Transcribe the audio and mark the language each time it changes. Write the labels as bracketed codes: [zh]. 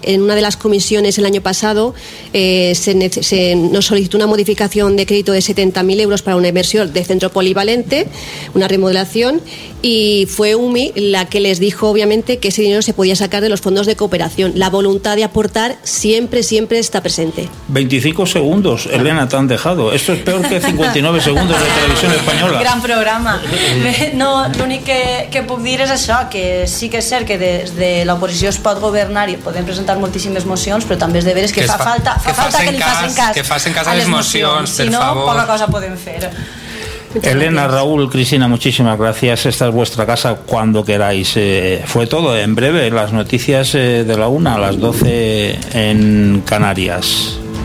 [es] En una de las comisiones el año pasado se nos solicitó una modificación de crédito de 70.000 euros para una inversión de centro polivalente, una remodelación, y fue UMI la que les dijo obviamente que ese dinero se podía sacar de los fondos de cooperación. La voluntad de aportar siempre, siempre está presente. 25 segundos, Elena, te han dejado. Esto es peor que 59 segundos de Televisión Española. Gran programa. [ca] No, l'únic que puc dir és això, que sí que és cert que des de l'oposició es pot governar i podem presentar moltíssimes mocions, però també és de veres que fa falta que li facin cas. Que facin cas a les mocions, si no, favor. Poca cosa podem fer. [es] Elena, Raúl, Cristina, muchísimas gracias. Esta es vuestra casa cuando queráis. Fue todo. En breve, las noticias de la 1 a las 12 en Canarias.